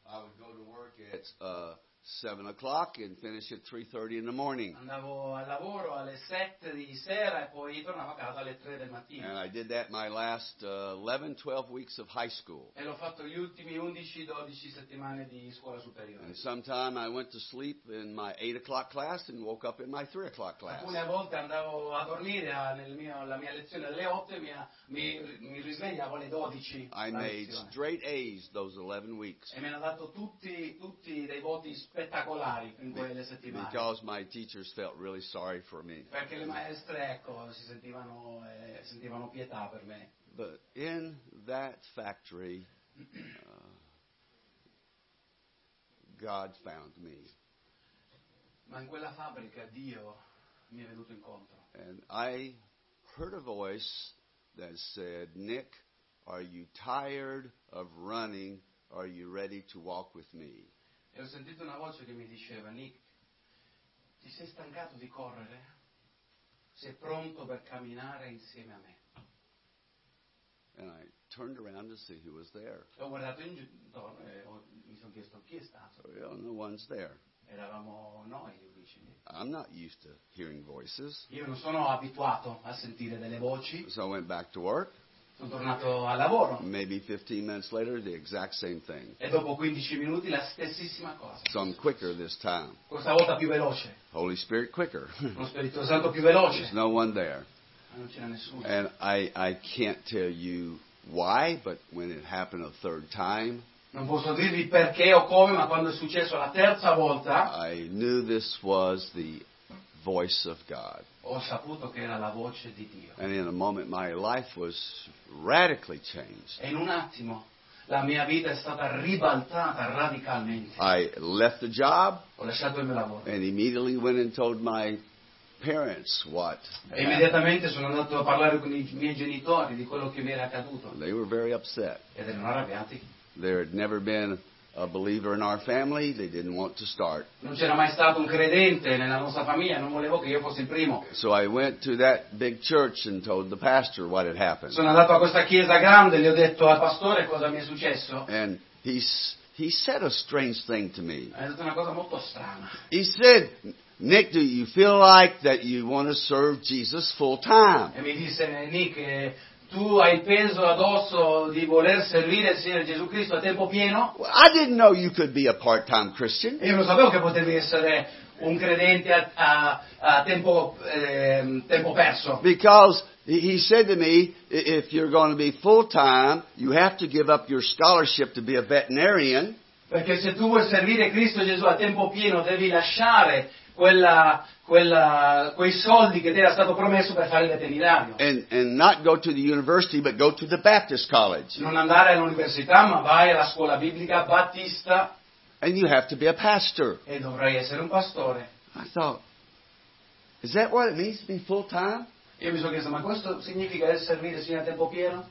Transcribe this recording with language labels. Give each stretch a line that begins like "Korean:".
English: I would go to work at 7 o'clock and finish at 3:30 in the morning.
Italian: Andavo al lavoro alle 7 di sera e poi tornavo a casa alle 3 del mattino.
English: And I did that my last 11-12 weeks of high school.
Italian: E l'ho fatto gli ultimi 11-12 settimane di scuola superiore.
English: And sometime I went to sleep in my 8 o'clock class and woke up in my 3 o'clock class.
Italian: Alcune volte andavo a dormire la mia lezione alle 8 e mi risvegliavo alle 12.
English: I made straight A's those 11 weeks.
Italian: E mi hanno dato tutti dei voti spettacolari in quelle settimane.
English: Because my teachers felt really sorry for me.
Italian: Perché le maestre, ecco, sentivano pietà per me.
English: But in that factory, God found me.
Italian: Ma in quella fabbrica Dio mi è venuto incontro.
English: And I heard a voice that said, Nick, are you tired of running? Are you ready to walk with me?
Italian: E ho sentito una voce che mi diceva, Nick, ti sei stancato di correre? Sei pronto per camminare insieme a me?
English: And I turned around to see who was there.
Italian: E ho guardato intorno e mi sono chiesto chi è stato.
English: Well, no one's there.
Italian: Eravamo noi lì vicini.
English: I'm not used to hearing voices.
Italian: Io non sono abituato a sentire delle voci.
English: So I went back to work.
Italian: Sono tornato al lavoro.
English: Maybe 15 minutes later, the exact same thing.
Italian: E dopo 15 minuti la stessissima cosa.
English: So I'm quicker this time.
Italian: Questa volta più veloce.
English: Holy Spirit quicker.
Italian: Lo Spirito Santo più veloce.
English: There's no one there.
Italian: Non c'era nessuno.
English: And I can't tell you why, but when it happened a third time.
Italian: Non posso dirvi perché o come, ma quando è successo la terza volta.
English: I knew this was the voice of God.
Italian: Ho saputo che era la voce di Dio.
English: And in a moment my life was radically changed.
Italian: E in un attimo la mia vita è stata ribaltata radicalmente.
English: I left the job.
Italian: Ho lasciato il mio lavoro.
English: And immediately went and told my parents what.
Italian: E immediatamente sono andato a parlare con i miei genitori di quello che mi era accaduto.
English: They were very upset.
Italian: Ed erano arrabbiati.
English: There had never been a believer in our family, they didn't want to start.
Italian: Non c'era mai stato un credente nella nostra famiglia, non volevo che io fossi il primo.
English: So I went to that big church and told the pastor what had happened.
Italian: Sono andato a questa chiesa grande, gli ho detto al pastore cosa mi è successo.
English: And he said a strange thing to me.
Italian: Ha detto una cosa molto strana.
English: He said, Nick, do you feel like that you want to serve Jesus full time?
Italian: E mi disse, Nick, tu hai il peso addosso di voler servire il Signore Gesù Cristo a tempo pieno?
English: Well, I didn't know you could be a part-time Christian.
Italian: Io non sapevo che potevi essere un credente a tempo perso.
English: Because he said to me, if you're going to be full-time, you have to give up your scholarship to be a veterinarian.
Italian: Perché se tu vuoi servire Cristo Gesù a tempo pieno, devi lasciare quei soldi che ti era stato promesso per fare il veterinario.
English: And not go to the university, but go to the Baptist college.
Italian: Non andare all'università, ma vai alla scuola biblica battista.
English: And you have to be a pastor.
Italian: E dovrai essere un pastore.
English: I thought, is that what it means to be full time?
Italian: Io mi sono chiesto, ma questo significa servire fino a tempo pieno?